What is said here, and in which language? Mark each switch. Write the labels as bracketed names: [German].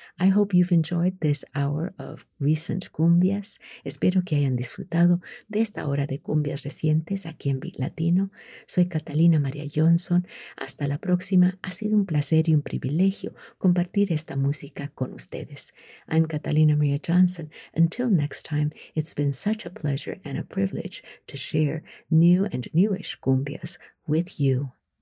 [English] I hope you've enjoyed this hour of recent cumbias. [Spanish] Espero que hayan disfrutado de esta hora de cumbias recientes aquí en Beat Latino. Soy Catalina María Johnson. Hasta la próxima. Ha sido un placer y un privilegio compartir esta música con ustedes. [English] I'm Catalina María Johnson. Until next time, it's been such a pleasure and a privilege to share new and newish cumbias with you.